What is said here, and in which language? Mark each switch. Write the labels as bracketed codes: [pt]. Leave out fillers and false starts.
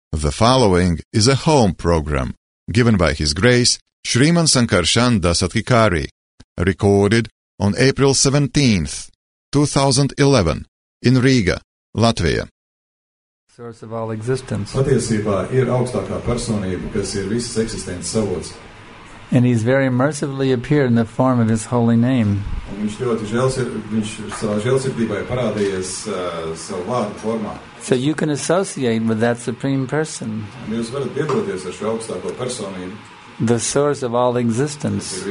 [en] The following is a home program given by His Grace Sriman Sankarshan Dasatkikari, recorded on April 17th, 2011, in Riga, Latvia. Source of all existence. [lv] Patiesībā ir augstākā personība, kas ir visas eksistences avots. [en] And He's very mercifully appeared in the form of His holy name. So you can associate with that supreme person. The source of all existence.